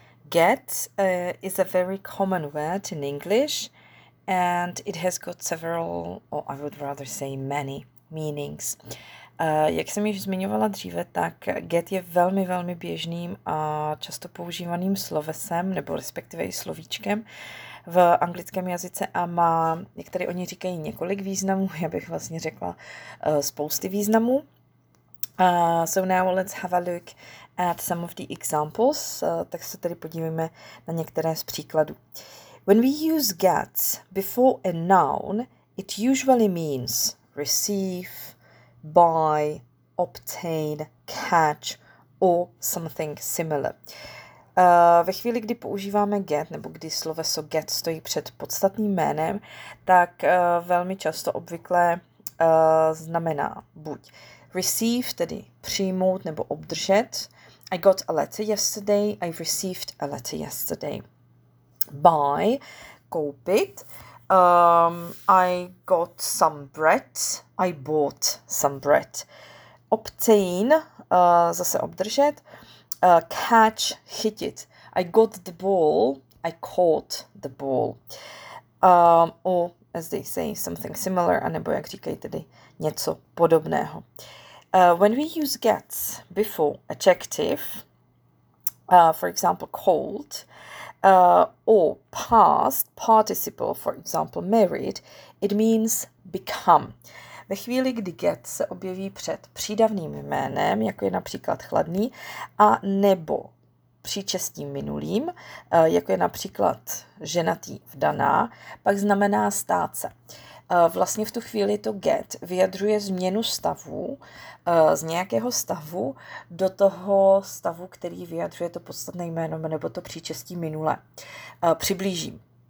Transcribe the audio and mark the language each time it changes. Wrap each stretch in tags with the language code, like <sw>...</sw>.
<en>Get is a very common word in English, and it has got several, or I would rather say many, meanings.</en> <cs>Jak jsem již zmiňovala dříve, tak get je velmi, velmi běžným a často používaným slovesem, nebo respektive i slovíčkem v anglickém jazyce a má, jak tady oni říkají, několik významů, já bych vlastně řekla spousty významů.</cs> <en>So now let's have a look at some of the examples.</en> <cs>Tak se tady podívejme na některé z příkladů.</cs> <en>When we use get before a noun, it usually means receive, buy, obtain, catch or something similar.</en> <cs>Ve chvíli, kdy používáme get, nebo kdy sloveso get stojí před podstatným jménem, tak velmi často obvykle znamená buď receive, tedy přijmout nebo obdržet.</cs> <en>I got a letter yesterday. I received a letter yesterday. Buy, koupit. I got some bread. I bought some bread. Obtain,</en> <cs>zase obdržet.</cs> <en>Catch, chytit. I got the ball. I caught the ball. Or, as they say, something similar,</en> <cs>anebo jak říkají tedy něco podobného.</cs> <en>When we use get before adjective, for example, cold, or past participle, for example, married, it means become.</en> <cs>Ve chvíli, kdy get se objeví před přídavným jménem, jako je například chladný, a nebo příčestím minulým, jako je například ženatý, vdaná, pak znamená stát se. Vlastně v tu chvíli to get vyjadřuje změnu stavu z nějakého stavu do toho stavu, který vyjadřuje to podstatné jméno nebo to příčestí minule. Přiblížím.</cs>